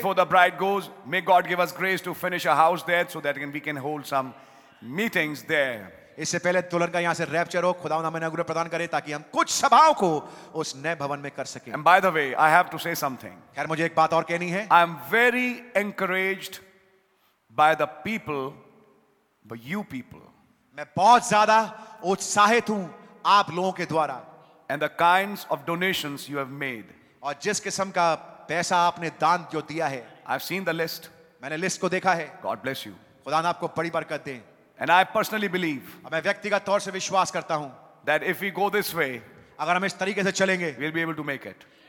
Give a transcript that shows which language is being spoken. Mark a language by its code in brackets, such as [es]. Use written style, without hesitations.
[en] Before the bride goes, may God give us grace to finish a house there, so that we can hold some meetings there. [hi] इससे पहले दुल्हन का यहां से rapture हो खुदा हमें अनुग्रह प्रदान करे ताकि हम कुछ सभाओं को उस नए भवन में कर सके [en] and by the way I have to say something [hi] खैर मुझे एक बात और कहनी है [en] I am very encouraged by the people by you people [hi] मैं बहुत ज्यादा उत्साहित हूं आप लोगों के द्वारा [en] and the kinds of donations you have made [hi] और जिस किस्म का पैसा आपने दान जो दिया है [en] I have seen the list [hi] मैंने लिस्ट को देखा है [en] God bless you [hi] खुदा आपको बड़ी बरकत दे [en] And I personally believe that if we go this way, we'll be able to make it.